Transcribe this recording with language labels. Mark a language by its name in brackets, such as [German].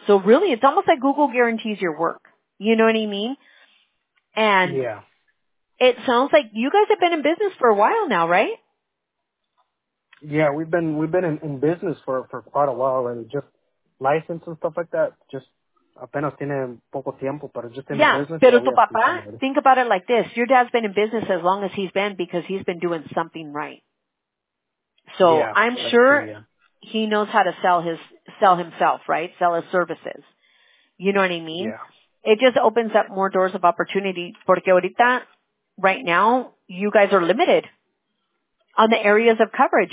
[English] So really, it's almost like Google guarantees your work. You know what I mean? And it sounds like you guys have been in business for a while now, right? Yeah, we've been in business for quite a while, and just license and stuff like that. Just [Spanish] apenas tiene poco tiempo, pero [English] just in business. Yeah, [Spanish] pero tu papá, [English] think about it like this. Your dad's been in business as long as he's been because he's been doing something right. So yeah, I'm sure... he knows how to sell himself, right? Sell his services. You know what I mean? Yeah. It just opens up more doors of opportunity [Spanish] porque ahorita, [English] right now, you guys are limited on the areas of coverage.